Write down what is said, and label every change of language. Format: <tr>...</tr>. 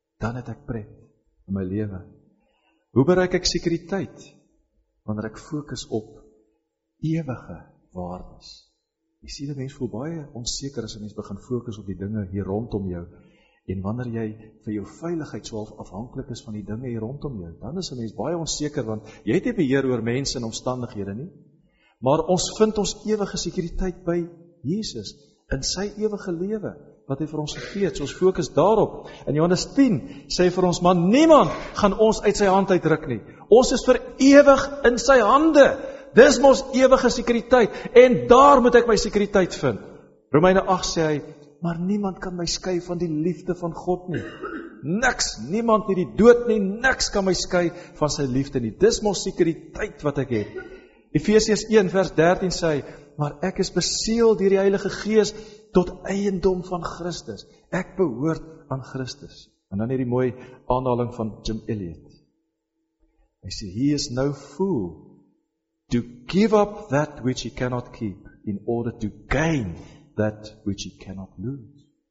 <af>Dan het ek pret in my lewe. Hoe bereik ek sekuriteit? Wanneer ek fokus op ewige waardes. Jy sien, die mens voel baie onseker as die mens begin fokus op die dinge hier rondom jou, en wanneer jy vir jou veiligheid so afhanklik is van die dinge hier rondom jou, dan is die mens baie onseker, want jy het nie beheer oor mense en omstandighede nie, maar ons vind ons ewige sekuriteit by Jesus, in sy ewige lewe, wat hy vir ons gegee het, so ons fokus daarop. In Johannes 10 sê vir ons, maar niemand gaan ons uit sy hand uitruk nie, ons is vir ewig in sy hande. Dis mos ewige sekuriteit, en daar moet ek my sekuriteit vind. Romeine 8 sê hy, maar niemand kan my skei van die liefde van God nie. Niks, niemand nie, die dood nie, niks kan my skei van sy liefde nie. Dis mos sekuriteit wat ek het. Efesiërs 1 vers 13 sê hy, maar ek is beseel deur die Heilige Gees tot eiendom van Christus. Ek behoort aan Christus. En dan hierdie mooie aanhaling van Jim Elliot. Hy sê,</af> <en>he is now full to give up that which he cannot keep, in order to gain that which he cannot lose.</en>